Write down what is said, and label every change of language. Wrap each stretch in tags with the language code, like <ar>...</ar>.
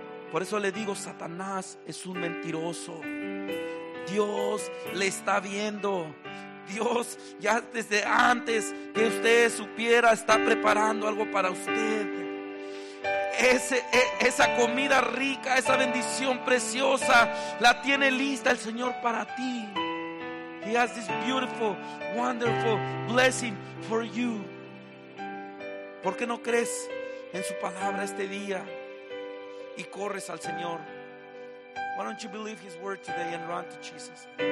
<es>Por eso le digo, Satanás es un mentiroso. Dios le está viendo. Dios ya desde antes que usted supiera está preparando algo para usted. Esa comida rica, esa bendición preciosa, la tiene lista el Señor para ti.</es> <en>He has this beautiful, wonderful blessing for you.</en> <es>¿Por qué no crees en su palabra este día y corres al Señor?</es> <en>Why don't you believe his word today and run to Jesus?</en>